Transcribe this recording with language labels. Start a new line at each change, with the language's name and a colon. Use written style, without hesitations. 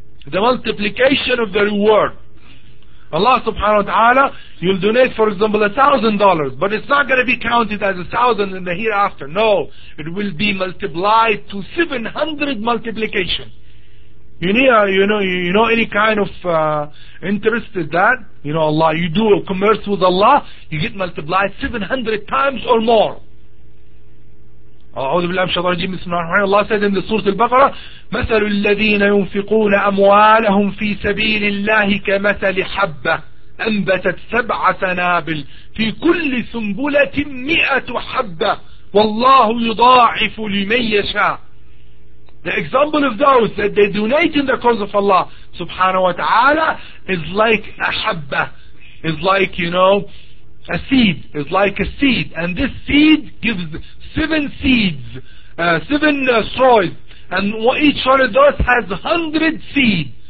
English: The multiplication of the reward. Allah subhanahu wa ta'ala, you'll donate, for example, $1,000, but it's not going to be counted as $1,000 in the hereafter. No, it will be multiplied to 700 multiplication. You know any kind of interest in that? You know, Allah, you do a commerce with Allah, you get multiplied 700 times or more.
Arabic: أعوذ بالله من الشيطان الرجيم بسم الله الرحمن الرحيم الله سيد من سورة البقرة مثل الذين ينفقون أموالهم في سبيل الله كمثل حبة أنبتت سبع سنابل في كل سنبلة 100 حبة والله يضاعف لمن يشاء.
English: The example of those that they donate in the cause of Allah subhanahu wa ta'ala is like a habba, is like, you know, a seed, is like a seed, and this seed gives 7 seeds, 7 straws, and each one of those has 100 seeds.